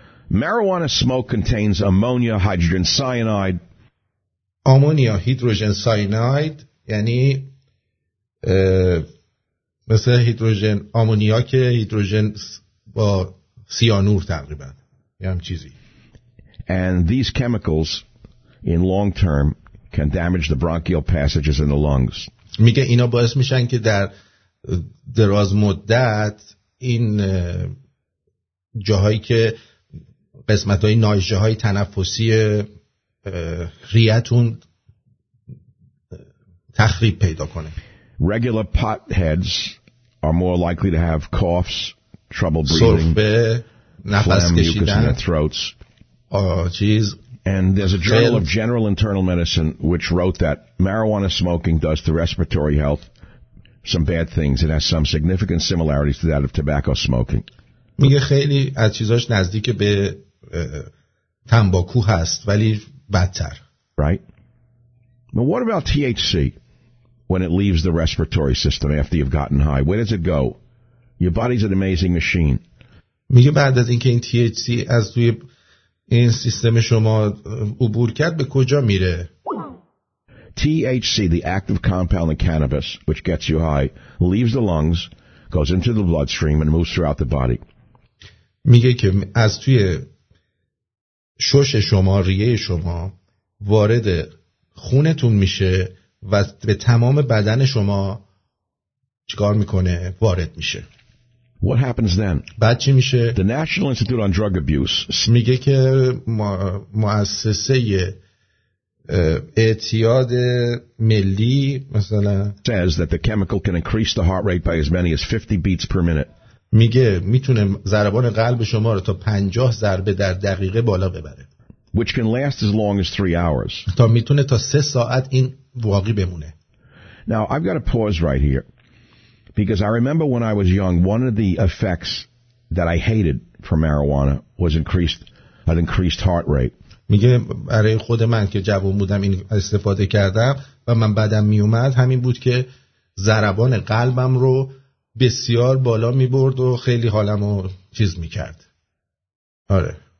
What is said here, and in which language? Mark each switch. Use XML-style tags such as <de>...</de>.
<en>Marijuana smoke contains ammonia, hydrogen cyanide.</en> <fa>آمونیا، هیدروژن ساینید، یعنی مثل هیدروژن آمونیا که هیدروژن با سیانور تقریبا یه هم چیزی.</fa> <en>And these chemicals in long term can damage the bronchial passages in the lungs.</en> <fa>میگه اینا باعث میشن که در دراز مدت این جاهایی که قسمت های ناجه های تنفسی ریه‌تون تخریب پیدا کنه.</fa> <en>Regular pot heads are more likely to have coughs, trouble breathing,</en> <fa>نفس کشیدن,</fa> <en>mucus in their throats.</en> <fa>چیز.</fa> <en>And there's a journal of general internal medicine which wrote that marijuana smoking does to respiratory health some bad things. It has some significant similarities to that of tobacco smoking.</en> <fa>میگه خیلی از چیزاش نزدیک به تنباکو هست ولی بدتر.</fa> <en>Right. But what about THC when it leaves the respiratory system after you've gotten high? Where does it go? Your body's an amazing machine.</en> <fa>میگه بعد از اینکه این THC از توی این سیستم شما عبور کرد به کجا میره؟</fa> <en>THC, the active compound in cannabis, which gets you high, leaves the lungs, goes into the bloodstream, and moves throughout the body.</en> <fa>میگه که از توی شش شما، ریه شما وارد خونتون میشه و به تمام بدن شما چیکار میکنه؟ وارد میشه.</fa> <en>What happens then?</en> <fa>بعد چی میشه؟</fa> <en>The National Institute on Drug Abuse</en> <fa>میگه که مؤسسه اعتیاد ملی مثلا</fa> <en>says that the chemical can increase the heart rate by as many as 50 beats per minute.</en> <fa>میگه میتونه ضربان قلب شما رو تا 50 ضربه در دقیقه بالا ببره.</fa> <en>Which can last as long as 3 hours.</en> <fa>تا میتونه تا 3 ساعت این واقعی بمونه.</fa> <en>Now I've got to pause right here. Because I remember when I was young, one of the effects that I hated from marijuana was an increased heart rate.</en> <fa>میگه برای خود من که جوان بودم این استفاده کردم و من بعدم میومد همین بود که ضربان قلبم رو بسیار بالا میبرد و خیلی حالم رو چیز میکرد. آره.</fa>